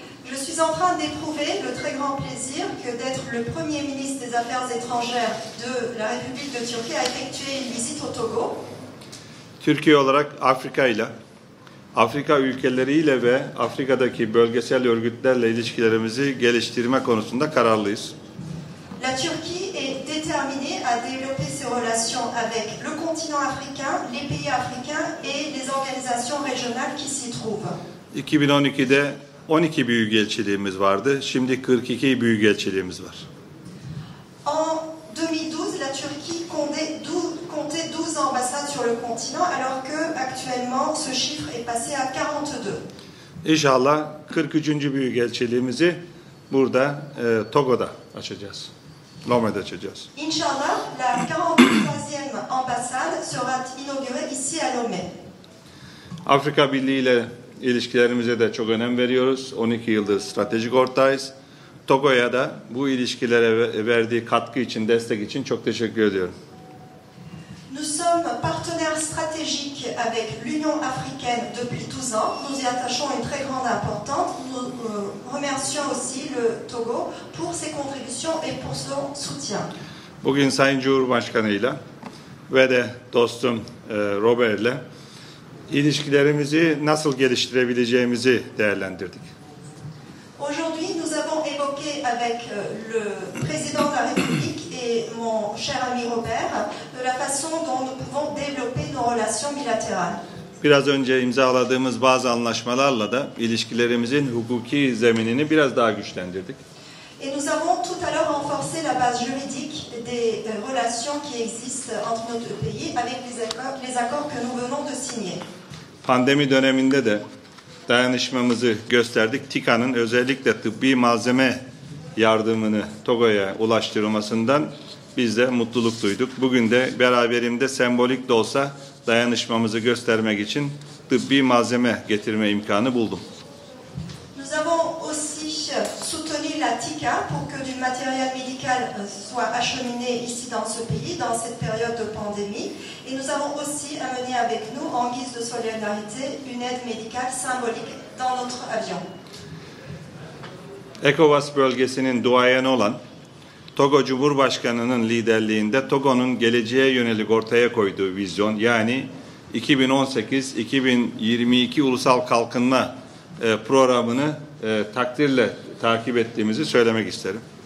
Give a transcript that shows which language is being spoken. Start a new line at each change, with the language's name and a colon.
French: Je suis en train d'éprouver le très grand plaisir que d'être le premier ministre des Affaires étrangères de la République de Turquie à effectuer une visite au Togo.
Turkish: Türkiye olarak Afrika ile, Afrika ülkeleriyle ve Afrika'daki bölgesel örgütlerle ilişkilerimizi geliştirme konusunda kararlıyız.
French: La La Turquie est déterminée à développer ses relations avec le continent africain, les pays africains et les organisations régionales qui s'y trouvent.
Turkish: 2012'de 12 büyükelçiliğimiz vardı. Şimdi 42 büyükelçiliğimiz var.
French: En 2012, la Turquie comptait 12 ambassades sur le continent alors que actuellement ce chiffre est passé à 42.
Turkish: İnşallah 43. büyükelçiliğimizi burada Togo'da açacağız. Lomé'de açacağız.
French: İnşallah la 43e ambassade sera inaugurée ici à Lomé.
Turkish: Afrika Birliği ile ilişkilerimize de çok önem veriyoruz. 12 yıldır stratejik ortağız. Togo'ya da bu ilişkilere verdiği katkı için, destek için çok teşekkür ediyorum.
French: Nous sommes partenaires stratégiques avec l'Union africaine depuis 12 ans. Nous y attachons une très grande importance. Nous remercions aussi le Togo pour ses contributions et pour son soutien.
Turkish: Bugün Sayın Cumhurbaşkanı'yla ve de dostum Robert'le ilişkilerimizi nasıl geliştirebileceğimizi değerlendirdik.
French: Aujourd'hui nous avons évoqué avec le président de la République et mon cher ami Robert de la façon dont nous pouvons développer nos relations bilatérales.
Turkish: Biraz önce imzaladığımız bazı anlaşmalarla da ilişkilerimizin hukuki zeminini biraz daha güçlendirdik.
French: Et nous avons tout à l'heure renforcé la base juridique des relations qui existent entre nos deux pays avec les accords que nous venons de signer.
Turkish: Pandemi döneminde de dayanışmamızı gösterdik. TİKA'nın özellikle tıbbi malzeme yardımını Togo'ya ulaştırmasından biz de mutluluk duyduk. Bugün de beraberimde sembolik de olsa dayanışmamızı göstermek için tıbbi malzeme getirme imkanı buldum.
French: Nous avons aussi soutenu la TİKA pour que du matériel médical soit acheminé ici dans ce pays dans cette période de pandémie. Et nous avons aussi amené avec nous, en guise de solidarité, une aide médicale symbolique dans notre avion.
Turkish: ECOWAS bölgesinin duayeni olan Togo Cumhurbaşkanı'nın liderliğinde Togo'nun geleceğe yönelik ortaya koyduğu vizyon, yani 2018-2022 Ulusal Kalkınma programını takdirle takip ettiğimizi söylemek isterim.